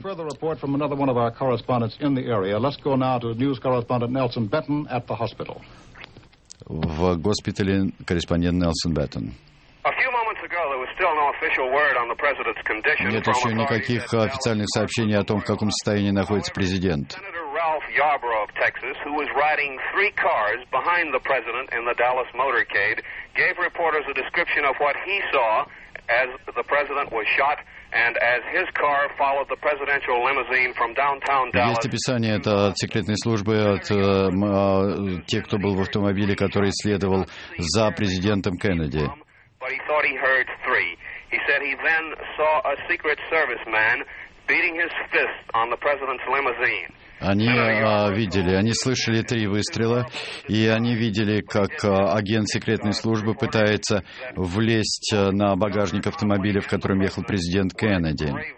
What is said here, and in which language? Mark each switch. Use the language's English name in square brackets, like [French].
[Russian] В госпитале корреспондент Нелсон Беттон. [English] A few moments. [Russian] Нет еще никаких официальных сообщений о том, в каком состоянии находится президент. [English] Ralph Yarbrough of Texas, who was riding three cars behind the president in the Dallas motorcade, gave reporters a description of what he saw as the president was shot and as his car followed the presidential limousine from downtown Dallas. [Russian] Есть описание это от секретной службы, от тех, кто был в автомобиле, который следовал за президентом Кеннеди. [English] But he thought he heard three. He said he then saw a Secret Service man beating his fist on the president's limousine. [Russian] Они слышали три выстрела, и они видели, как агент секретной службы пытается влезть на багажник автомобиля, в котором ехал президент Кеннеди.